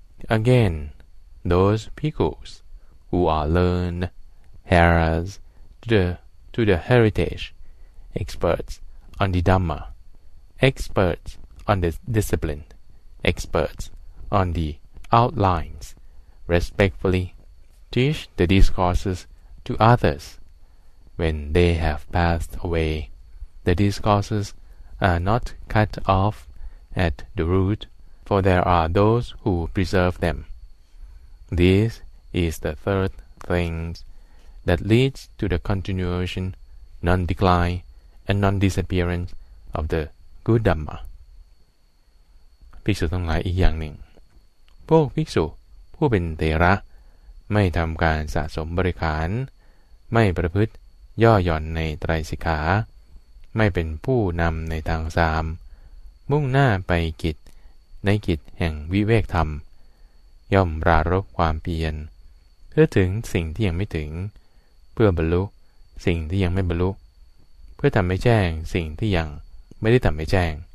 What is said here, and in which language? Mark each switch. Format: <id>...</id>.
<en>Again, those bhikkhus who are learned heirs to the heritage, experts on the Dhamma, experts on the discipline, experts on the outlines, respectfully teach the discourses to others. When they have passed away, the discourses are not cut off at the root, for there are those who preserve them. This is the third thingthat leads to the continuation, non-decline, and non-disappearance of the good Dhamma.</en> <th>ภิกษุทั้งหลายอีกอย่างหนึ่งพวกภิกษุผู้เป็นเถระไม่ทำการสะสมบริขารไม่ประพฤติย่อหย่อนในไตรสิกขาไม่เป็นผู้นำในทางสามมุ่งหน้าไปกิจในกิจแห่งวิเวกธรรมย่อมปรารภความเพียรเพื่อถึงสิ่งที่ยังไม่ถึงเพื่อบรรลุสิ่งที่ยังไม่บรรลุเพื่อทำให้แจ้งสิ่งที่ยังไม่ได้ทำให้แจ้ง</th>